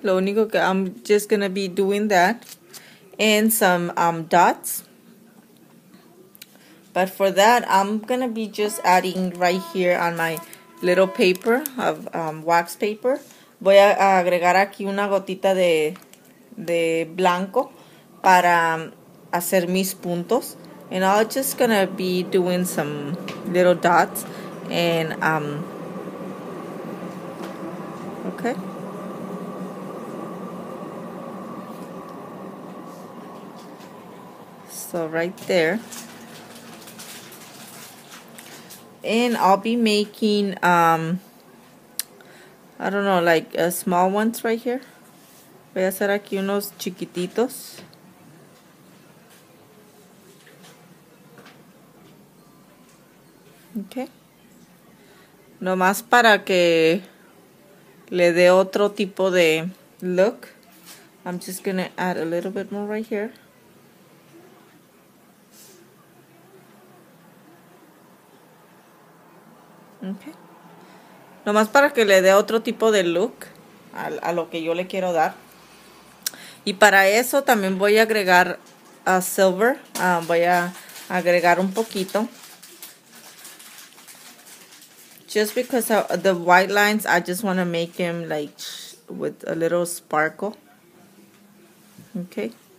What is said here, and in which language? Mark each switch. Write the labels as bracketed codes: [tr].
[es] Lo único que [en] I'm just gonna be doing that, and some dots. But for that, I'm gonna be just adding right here on my little paper of wax paper. [es] Voy a agregar aquí una gotita de blanco para hacer mis puntos. [en] And I'm just gonna be doing some little dots, and okay. So right there, and I'll be making I don't know, like small ones right here. [es] Voy a hacer aquí unos chiquititos. [en] Okay. [es] Nomás para que le dé otro tipo de look. [en] I'm just gonna add a little bit more right here. Okay. [es] Nomás para que le dé otro tipo de look a lo que yo le quiero dar. Y para eso también voy a agregar a silver. Voy a agregar un poquito. [en] Just because of the white lines, I just want to make him like with a little sparkle. Okay.